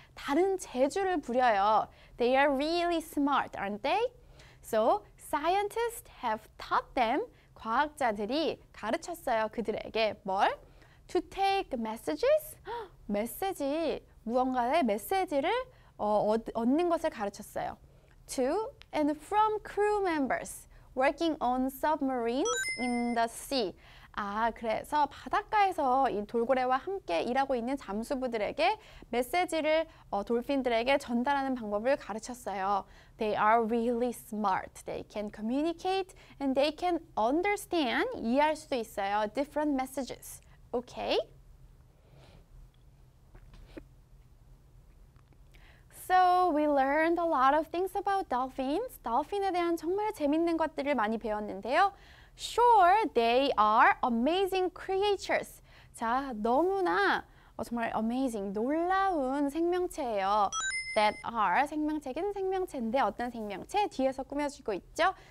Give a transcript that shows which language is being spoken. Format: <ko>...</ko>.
<ko>다른 재주를 부려요.</ko> <en>They are really smart, aren't they? So, scientists have taught them.</en> <ko>과학자들이 가르쳤어요, 그들에게. 뭘?</ko> <en>To take messages?</en> <ko>메시지, 무언가의 메시지를 얻는 것을 가르쳤어요.</ko> <en>To and from crew members working on submarines in the sea.</en> <ko>아, 그래서 바닷가에서 이 돌고래와 함께 일하고 있는 잠수부들에게 메시지를 돌핀들에게 전달하는 방법을 가르쳤어요.</ko> <en>They are really smart. They can communicate and they can understand,</en> <ko>이해할 수도 있어요.</ko> <en>Different messages. Okay? So we learned a lot of things about dolphins.</en> <ko>돌핀에 대한 정말 재밌는 것들을 많이 배웠는데요.</ko> <en>Sure, they are amazing creatures.</en> <ko>자, 너무나 정말 amazing, 놀라운 생명체예요.</ko> <en>That are,</en> <ko>생명체긴 생명체인데 어떤 생명체? 뒤에서 꾸며주고 있죠?</ko>